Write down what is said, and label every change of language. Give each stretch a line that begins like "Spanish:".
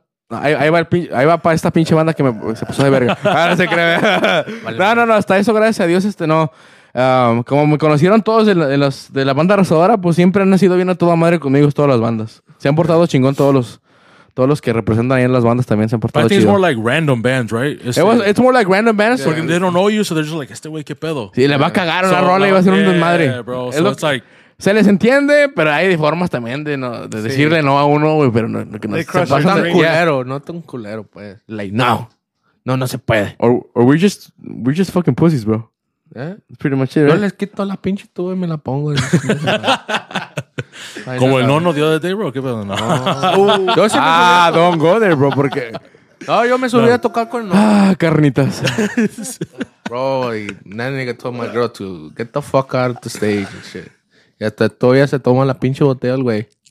Spanish: Ahí va para esta pinche banda que se puso de verga. Ahora se cree. No, hasta eso, gracias a Dios, no... como me conocieron todos de la banda Rosadora, pues siempre han sido bien a toda madre conmigo todas las bandas. Se han portado chingón todos los que representan ahí en las bandas también se han portado chido.
English: But I think it's more like random bands, right? It's more like random bands. Yeah. They don't know you, so they're just like,
Spanish: este güey, qué pedo. Sí, le va a cagar una rola y va a ser un desmadre.
English: Yeah, bro. So it's like...
Spanish: Se les entiende, pero hay formas también de decirle no a uno, güey, pero no que no tan culero, pues.
English: Like, no.
Spanish: No se puede.
English: Or we're just fucking pussies, bro. Yeah, pretty much it.
Spanish: Yo les quito la pinche tuba y me la pongo. Como el nono
English: the other day,
Spanish: bro. ¿Qué pedo? No. Yo sí
English: don't go there, bro. Porque.
Spanish: No, yo me subí a tocar con el nono. Ah, carnitas.
English: Bro, y nigga told my girl to get the fuck out of the stage and shit.
Spanish: Y hasta todavía se toma la pinche botella, güey.